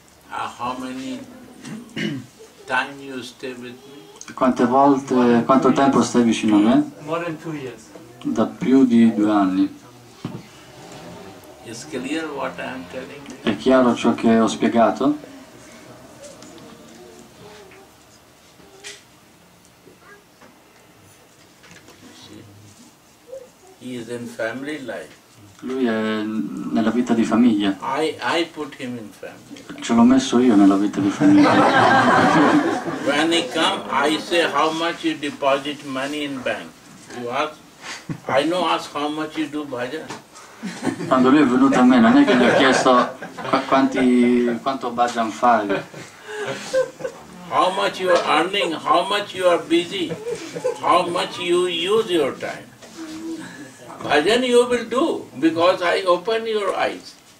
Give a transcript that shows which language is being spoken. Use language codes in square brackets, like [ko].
[en] How many time you stay with me? [it] Quante volte, quanto tempo stai vicino a me? [en] More than 2 years. [it] Da più di 2 anni. [en] Is clear what I am telling you? [it] È chiaro ciò che ho spiegato? [en] He is in family life. [it] Lui è nella vita di famiglia. [en] I put him in family. [it] Ce l'ho messo io nella vita di famiglia. [en] When he come, I say how much you deposit money in bank. You ask, I know ask how much you do bhajan. [it] Quando lui è venuto a me, non è che gli ho chiesto quanto bhajan fai. [en] How much you are earning, how much you are busy, how much you use your time. Bhajan you will do, because I open your eyes.